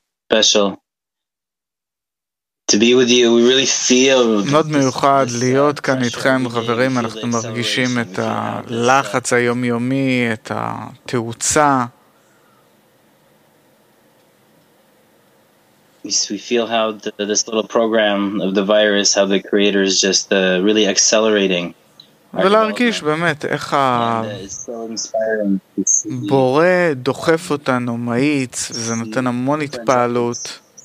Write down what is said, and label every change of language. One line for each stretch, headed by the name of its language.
English: Special to be with you, we really feel
Hebrew: מאוד מיוחד להיות כאן איתכם חברים, אנחנו מרגישים את הלחץ היומיומי, את התאוצה,
English: we feel how this little program of the virus, how the creator is just really accelerating.
Hebrew: ולהרגיש באמת איך הבורא דוחף אותנו, מאיץ, וזה נותן המון התפעלות.